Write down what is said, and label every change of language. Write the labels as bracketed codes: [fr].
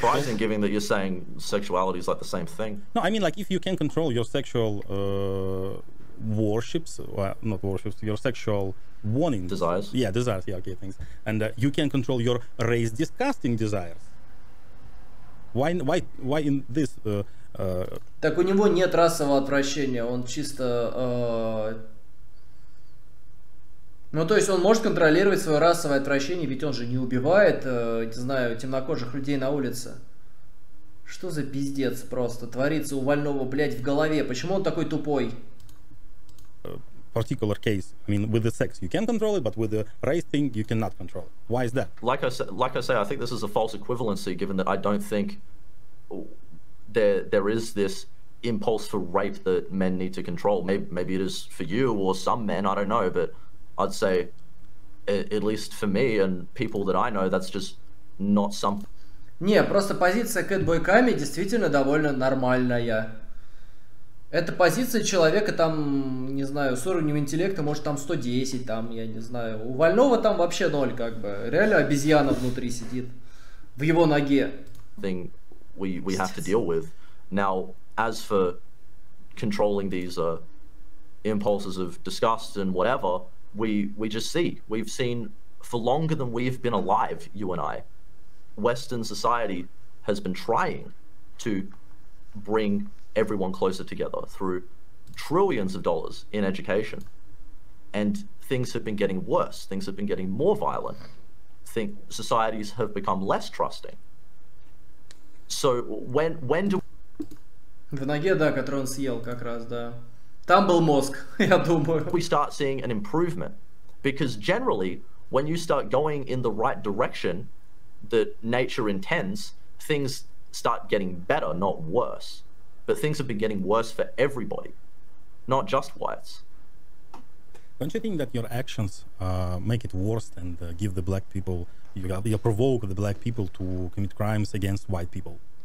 [en] Surprising, given that you're saying sexuality is like the same thing. No, I mean, like, if you can control your sexual warships, well, not warships, your sexual... Warning. Desires. Yeah, desires. Yeah, okay, thanks. And you can control your race disgusting desires. Why in this... [ru] Так у него нет расового отвращения, он чисто... Ну, то есть он может контролировать свое расовое отвращение, ведь он же не убивает, не знаю, темнокожих людей на улице. Что за пиздец просто творится у Вального, блядь, в голове? Почему он такой тупой? [en] Particular case. I mean, with the sex, you can control it, but with the race thing, you cannot control it. Why is that? Like I say, I think this is a false equivalency, given that I don't think there is this impulse for rape that men need to control. Maybe it is for you or some men. I don't know, but I'd say, at least for me and people that I know, that's just not something. [ru] Не, просто позиция Кэт Бойками действительно довольно нормальная. Это позиция человека, там, не знаю, с уровнем интеллекта, может, там 110, там, я не знаю. У Вального там вообще ноль, как бы. Реально обезьяна внутри сидит. В его ноге. [en] Thing we have to deal with. Now, as for controlling these impulses of disgust and whatever, we just see. We've seen for longer than we've been alive, you and I. Western society has been trying to bring everyone closer together through trillions of dollars in education, and things have been getting worse, things have been getting more violent, think societies have become less trusting. So when do [ru] в ноге, да, который он съел как раз, да, там был мозг, я думаю, [en] we start seeing an improvement? Because generally when you start going in the right direction that nature intends, things start getting better, not worse. But things have been getting worse for everybody, not just whites. Don't you think that your actions make it worse and give the black people, you provoke the black people to commit crimes against white people?